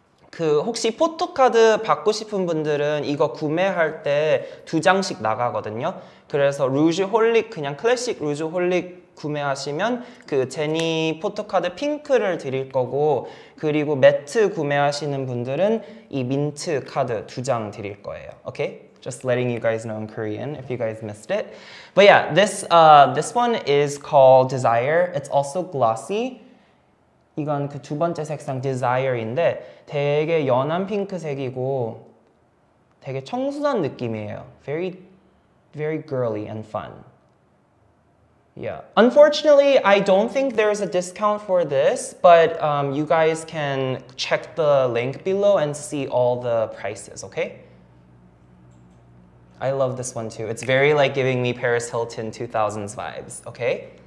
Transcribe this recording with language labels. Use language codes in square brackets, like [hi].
[ko] 그 혹시 포토카드 받고 싶은 분들은 이거 구매할 때 두 장씩 나가거든요. 그래서 루즈 홀릭 그냥 클래식 루즈 홀릭 구매하시면 그 제니 포토카드 핑크를 드릴 거고 그리고 매트 구매하시는 분들은 이 민트 카드 두 장 드릴 거예요. [en] Okay? Just letting you guys know in Korean if you guys missed it. But yeah, this one is called Desire. It's also glossy. [ko] 이건 그 두 번째 색상 Desire인데 되게 연한 핑크색이고 되게 청순한 느낌이에요. [en] Very, very girly and fun. Yeah. Unfortunately, I don't think there's a discount for this, but you guys can check the link below and see all the prices, okay? I love this one too. It's very like giving me Paris Hilton 2000s vibes, okay?